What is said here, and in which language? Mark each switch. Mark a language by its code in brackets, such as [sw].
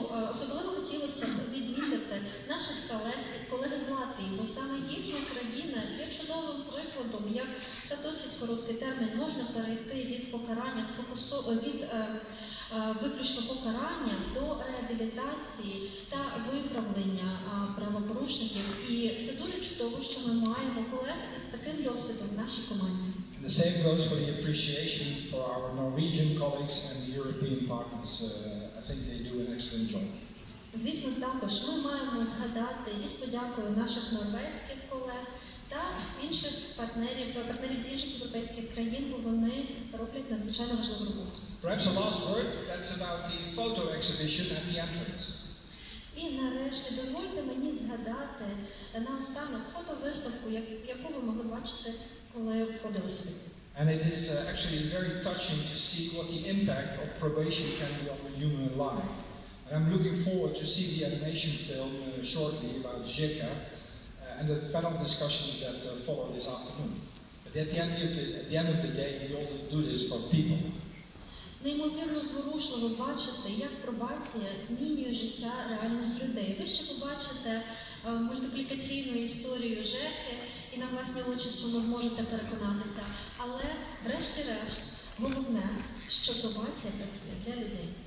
[uk] Особливо хотілося б відмітити наших колег з Латвії, бо саме їхня країна є чудовим прикладом, як за досить короткий термін можна перейти від покарання, від виключно покарання до реабілітації та виправлення правопорушників. І це дуже чудово, що ми маємо колег з таким досвідом в нашій команді. [en] The same goes for the appreciation for our Norwegian colleagues and the European partners. I think they do an excellent job. [uk] Звісно, також ми маємо згадати і з подякою наших норвезьких колег та інших партнерів з інших європейських країн, бо вони роблять надзвичайно важливу роботу. [en] Perhaps a last word, that's about the photo exhibition at the entrance. [uk] І нарешті, дозвольте мені згадати наостанок фотовиставку, яку ви могли бачити, коли входили сюди. [en] And it is actually very touching to see what the impact of probation can be on the human life. And I'm looking forward to see the animation film shortly about Zeka and the panel discussions that follow this afternoon. But at the end of the day, we all do this for people. [uk] Неймовірно зворушливо бачити, як пробація змінює життя реальних людей. Ви ще побачите мультиплікаційну історію Жеки і на власні очі цьому зможете переконатися. Але врешті-решт, головне, що пробація працює для людей.